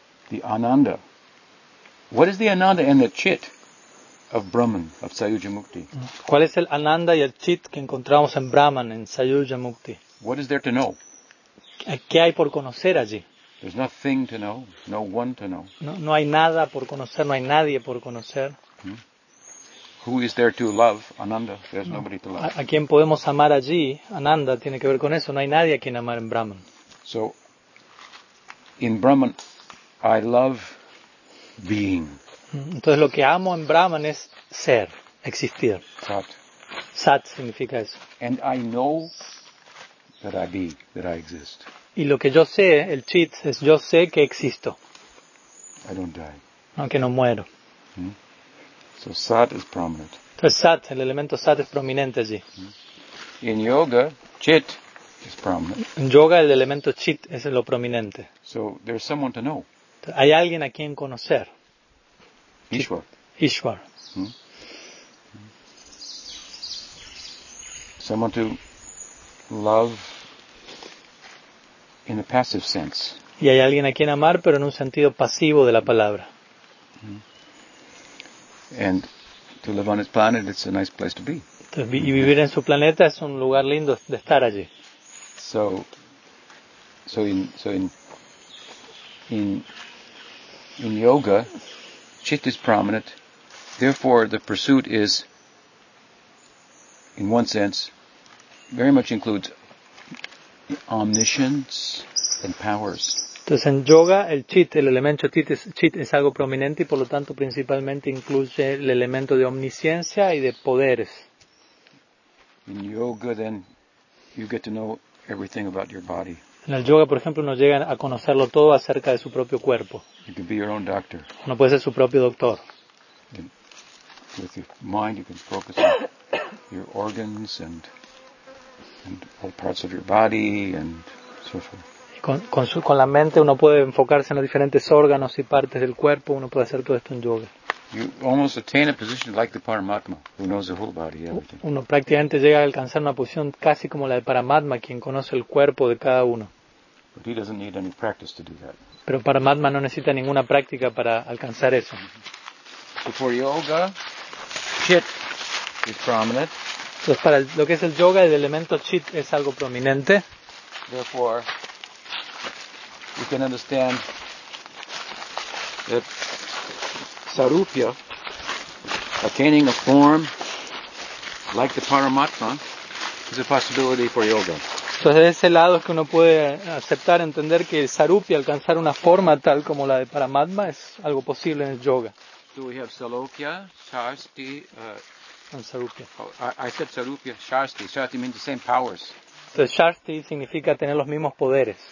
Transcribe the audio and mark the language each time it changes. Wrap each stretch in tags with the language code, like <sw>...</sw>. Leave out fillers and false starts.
<en>The Ananda. What is the Ananda and the Chit of Brahman, of Sayuja Mukti?</en> <es>¿Cuál es el Ananda y el Chit que encontramos en Brahman, en Sayuja Mukti?</es> <en>What is there to know?</en> <es>¿Qué hay por conocer allí?</es> <en>There's nothing to know, no one to know.</en> <es>No, no hay nada por conocer, no hay nadie por conocer.</es> <en>Who is there to love? Ananda, there's nobody to love.</en> <es>¿A quién podemos amar allí? Ananda tiene que ver con eso, no hay nadie a quien amar en Brahman.</es> <en>So, in Brahman, I love being.</en> <es>Entonces lo que amo en Brahman es ser, existir.</es> <en>Sat.</en> <es>Sat significa eso.</es> <en>And I know that I be, that I exist.</en> <es>Y lo que yo sé, el chit, es yo sé que existo.</es> <en>I don't die.</en> <es>Aunque no muero.</es> <en>So sat is prominent.</en> <es>Entonces sat, el elemento sat es prominente allí.</es> <en>In yoga, chit is prominent.</en> <es>En yoga el elemento chit es lo prominente.</es> <en>So there's someone to know.</en> <es>Hay alguien a quien conocer.</es> <en>Ishwar. Someone to love in a passive sense.</en> <es>Y hay alguien a quien amar, pero en un sentido pasivo de la palabra.</es> <en>And to live on his planet, it's a nice place to be.</en> <es>Y vivir en su planeta es un lugar lindo de estar allí.</es> <en>So in yoga, chit is prominent. Therefore, the pursuit is, in one sense, very much includes omniscience and powers.</en> <es>Entonces, en yoga, el chit, el elemento chit es algo prominente y, por lo tanto, principalmente incluye el elemento de omnisciencia y de poderes.</es> <en>In yoga, then, you get to know everything about your body.</en> <es>En el yoga, por ejemplo, uno llega a conocerlo todo acerca de su propio cuerpo.</es> <en>You can be your own doctor.</en> <es>Uno puede ser su propio doctor.</es> <en>With your mind, you can focus on your organs and all parts of your body and so forth.</en> <es>Con la mente, uno puede enfocarse en los diferentes órganos y partes del cuerpo. Uno puede hacer todo esto en yoga.</es> <en>You almost attain a position like the Paramatma, who knows the whole body, everything.</en> <es>Uno prácticamente llega a alcanzar una posición casi como la de Paramatma, quien conoce el cuerpo de cada uno.</es> <en>But he doesn't need any practice to do that.</en> <es>Pero Paramatma no necesita ninguna práctica para alcanzar eso.</es> <en>So for yoga, chit is prominent.</en> <es>Entonces para lo que es el yoga, el elemento chit es algo prominente.</es> <en>Therefore, you can understand that Sarupya, attaining a form like the Paramatma, is a possibility for yoga.</en> <es>Entonces, de ese lado es que uno puede aceptar, entender que Sarupya, alcanzar una forma tal como la de Paramatma, es algo posible en el yoga.</es> <en>So we have Salokya, Sarsti, and Sarupya. Oh, I said Sarupya, Sarsti. Sarsti means the same powers.</en> <es>Entonces, Sarsti significa tener los mismos poderes.</es>